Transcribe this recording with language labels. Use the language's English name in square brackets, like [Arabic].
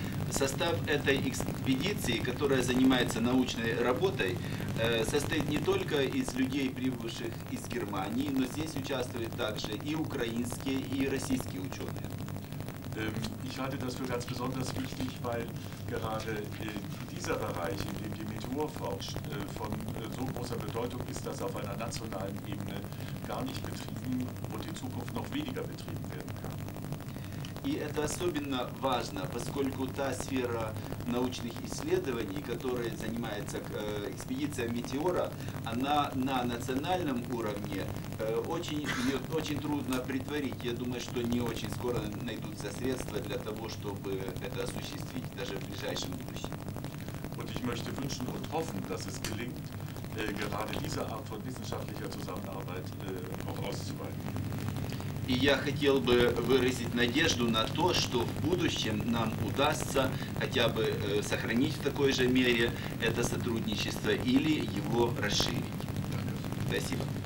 [Russian] Состав этой экспедиции, которая занимается научной работой, состоит не только из людей, прибывших из Германии, но здесь участвуют также и украинские, и российские ученые. [German] Ich halte das für ganz besonders wichtig, weil gerade in dieser Bereich, in dem die Naturforsch von so großer Bedeutung ist, dass auf einer nationalen Ebene gar nicht betrieben und in Zukunft noch weniger betrieben werden kann. [Russian] И это особенно важно, поскольку та сфера научных исследований, которой занимается экспедиция «Метеора», она на национальном уровне очень трудно претворить. Я думаю, что не очень скоро найдутся средства для того, чтобы это осуществить даже в ближайшем будущем. [German] Und ich möchte wünschen und hoffen, dass es gelingt, gerade diese Art von wissenschaftlicher Zusammenarbeit auch auszuweiten. [Russian] И я хотел бы выразить надежду на то, что в будущем нам удастся хотя бы сохранить в такой же мере это сотрудничество или его расширить. Спасибо.